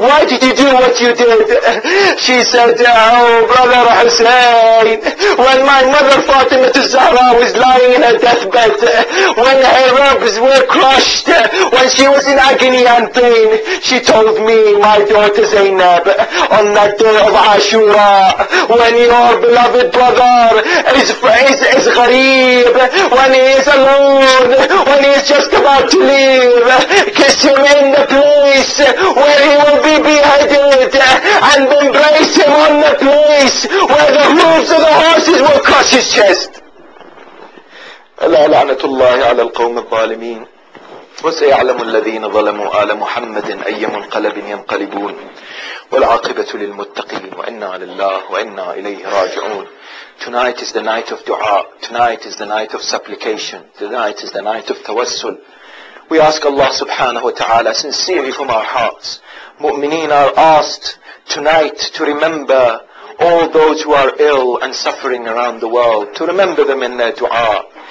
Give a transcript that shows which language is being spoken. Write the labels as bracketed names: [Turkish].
[English] Why did you do what you did? She said, oh brother Hussein, when my mother Fatima al-Zahra was lying in her deathbed, when her ribs were crushed, when she was in agony and pain, she told me, my daughter Zainab, on that day of Ashura, when your beloved brother is gharib, when he is alone, when he is just about to leave, kiss him in the place where he will be beheaded, and embrace him on the place where the hooves of the horses will crush his chest. [Arabic] ألا لعنة الله على القوم الظالمين وسيعلم الذين ظلموا آل محمد أي منقلب ينقلبون والعاقبة للمتقين وإنا لله وإنا إليه راجعون. [English] Tonight is the night of dua. Tonight is the night of supplication. Tonight is the night of tawassul. We ask Allah subhanahu wa ta'ala sincerely from our hearts. Mu'mineen are asked tonight to remember all those who are ill and suffering around the world, to remember them in their dua.